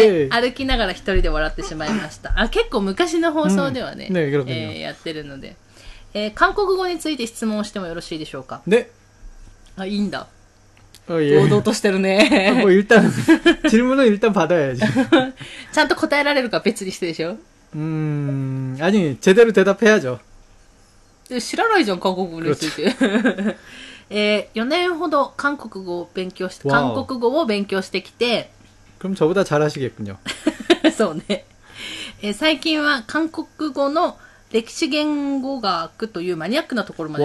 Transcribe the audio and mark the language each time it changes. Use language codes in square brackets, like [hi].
[ja] 歩きながら一人で笑ってしまいました。あ、結構昔の放送ではね。ね、やってるので、韓国語について質問してもよろしいでしょうか。ね。あ、いいんだ。堂々としてるね。もう一旦、質問を一旦 [ko] 받아야지。 [ja] ちゃんと答えられるか別にしてでしょ。 [ko] 아니、제대로대답해야죠。 [ja] 知らないじゃん、韓国語について。4年ほど韓国語を勉強して、韓国語を勉強してきて、 [ko] 그럼저보다잘하시겠군요。 [ja] そうね。最近は韓国語の歴史言語学というマニアックなところまで